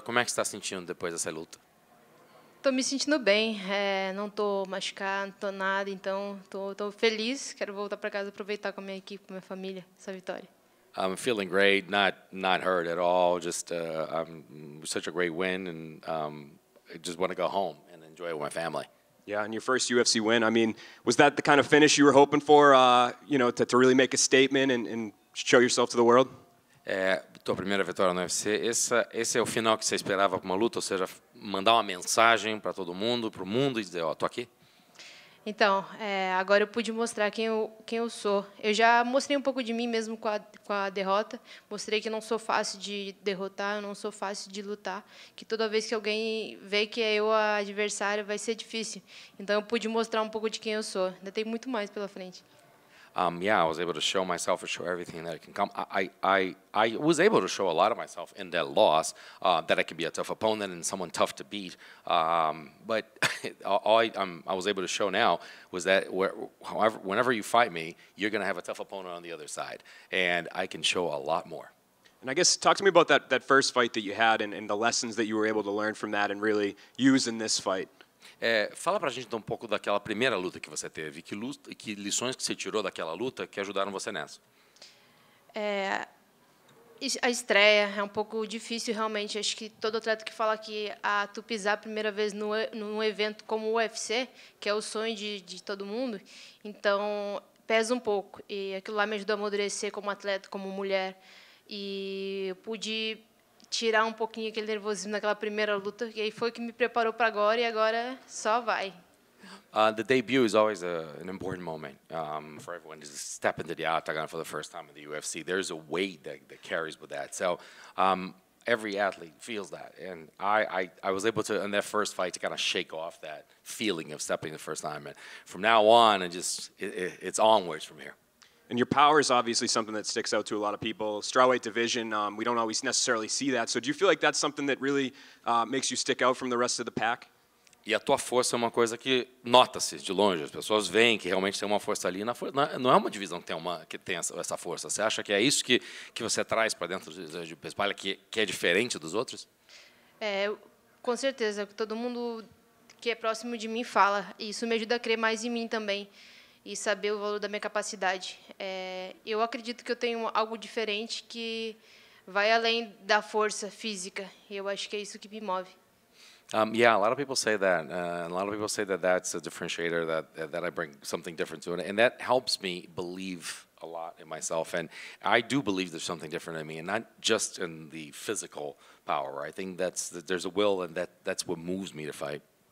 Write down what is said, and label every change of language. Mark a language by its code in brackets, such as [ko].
[pt] Como é que você está sentindo depois dessa luta? Estou me sentindo bem. Não estou machucada, não estou nada. Então, estou feliz. Quero voltar para casa e aproveitar com a minha equipe, com a minha família, essa vitória. [en] I'm feeling great, not hurt at all. Just I'm such a great win, and I just want to go home and enjoy it with my family. Yeah, and your first UFC win. I mean, was that the kind of finish you were hoping for? You know, to really make a statement and show yourself to the world. [pt] Tua primeira vitória no UFC. Esse é o final que você esperava para uma luta, ou seja, mandar uma mensagem para todo mundo, para o mundo e dizer, ó, tô aqui. Então, agora eu pude mostrar quem eu sou. Eu já mostrei um pouco de mim mesmo com a derrota. Mostrei que não sou fácil de derrotar, não sou fácil de lutar. Que toda vez que alguém vê que é eu a adversária, vai ser difícil. Então, eu pude mostrar um pouco de quem eu sou. Ainda tem muito mais pela frente. [en] Yeah, I was able to show myself and show everything that I can come. I was able to show a lot of myself in that loss, that I could be a tough opponent and someone tough to beat. But all I was able to show now was that whenever you fight me, you're going to have a tough opponent on the other side, and I can show a lot more. And I guess talk to me about that first fight that you had and the lessons that you were able to learn from that and really use in this fight. [pt] Fala pra gente um pouco daquela primeira luta que você teve, que lições que você tirou daquela luta que ajudaram você nessa? A estreia é um pouco difícil, realmente. Acho que todo atleta que fala que tu pisar a primeira vez num evento como o UFC, que é o sonho de todo mundo, então pesa um pouco. E aquilo lá me ajudou a amadurecer como atleta, como mulher. E eu pude tirar um pouquinho aquele nervosismo naquela primeira luta, e aí foi o que me preparou para agora, e agora só vai. [en] The debut is always an important moment for everyone to step into the octagon for the first time in the UFC. There's a weight that carries with that. So every athlete feels that. And I was able to, in that first fight, to kind of shake off that feeling of stepping the first time. And from now on, it's onwards from here. And your power is obviously something that sticks out to a lot of people. Strawweight division, we don't always necessarily see that. So do you feel like that's something that really makes you stick out from the rest of the pack? [pt] E a tua força é uma coisa que nota-se de longe. As pessoas veem que realmente tem uma força ali. Não é uma divisão que tem essa força. Você acha que é isso que você traz para dentro do peso-palha, que é diferente dos outros? Com certeza. Todo mundo que é próximo de mim fala. Isso me ajuda a crer mais em mim também. E saber o valor da minha capacidade. Eu acredito que eu tenho algo diferente que vai além da força física. Eu acho que é isso que me move. [en] Yeah, a lot of people say that. A lot of people say that that's a differentiator, that I bring something different to it. And that helps me believe a lot in myself. And I do believe there's something different in me, and not just in the physical power. I think there's a will, and that's what moves me to fight.